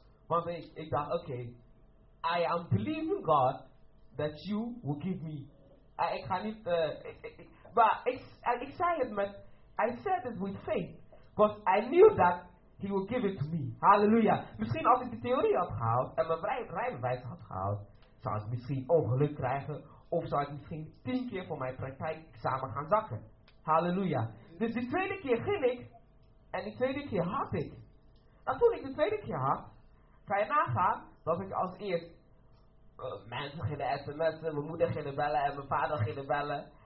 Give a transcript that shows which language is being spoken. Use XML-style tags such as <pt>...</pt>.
<nl>Want ik dacht, oké,</nl> <en>I am believing God that you will give me.</en> <nl>Ik ga niet, maar ik zei het met,</nl> <en>I said it with faith. Because I knew that he will give it to me.</en> <nl>Halleluja. Misschien als ik de theorie had gehaald en mijn rijbewijs had gehaald, zou ik misschien ongeluk krijgen, of zou ik misschien 10 keer voor mijn praktijk samen gaan zakken. Halleluja. Dus de tweede keer ging ik, en de tweede keer had ik. Nou, toen ik de tweede keer had, kan je nagaan dat ik als eerst mensen gingen sms'en, mijn moeder gingen bellen en mijn vader gingen bellen.</nl>